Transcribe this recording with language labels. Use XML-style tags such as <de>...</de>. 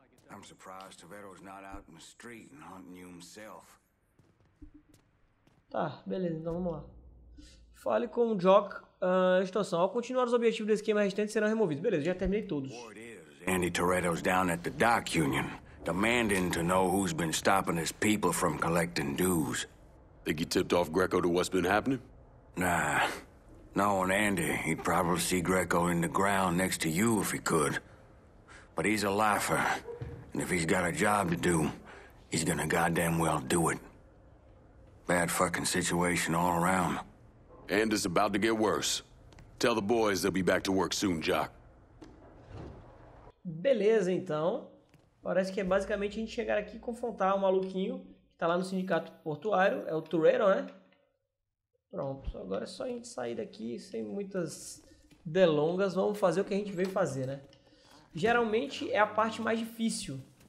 <en>I'm surprised Tavero's not out in the street and hunting you himself.</en> <pt>Tá, beleza, então vamos lá. Fale com o Jock. Situação. Ao continuar os objetivos do esquema restante serão removidos. Beleza, já terminei todos.</pt> <en>Andy Toretto's down at the Dock Union, demanding to know who's been stopping his people from collecting dues. Think he tipped off Greco to what's been happening? Nah. Knowing Andy, he'd probably see Greco in the ground next to you if he could. But he's a lifer, and if he's got a job to do, he's gonna goddamn well do it. Bad fucking situation all around. And it's about to get worse. Tell the boys they'll be back to work soon, Jock.</en> <pt>Beleza, então. Parece que é basicamente a gente chegar aqui e confrontar o maluquinho que tá lá no sindicato portuário. É o Toretto, né? Pronto. Agora é só a gente sair daqui sem muitas delongas. Vamos fazer o que a gente veio fazer, né? Geralmente é a parte mais difícil.</pt>